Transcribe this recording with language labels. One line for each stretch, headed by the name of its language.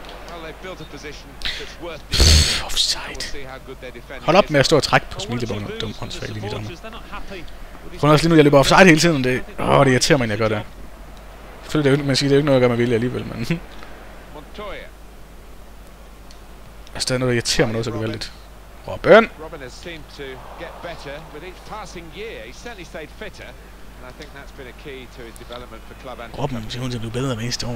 English: Well, they've built a position that's worth the effort. Offside.
Danish: Hold op med at stå og trække på smilebåndet. Dumt håndsfag lige der. Prøv også lige nu, jeg løber offside hele tiden. Det, det irriterer mig, når jeg gør det. Selvfølgelig, det er jo, man siger, det er jo ikke noget, jeg gør med vilje alligevel, men... Montoya. Altså, der er noget, der irriterer mig noget, så gevaldigt.
English: Robin. Robin has seemed to get better with each passing year. He certainly stayed fitter, and I think that's been a key to his development for club and. Robin, he's going to be better than last year.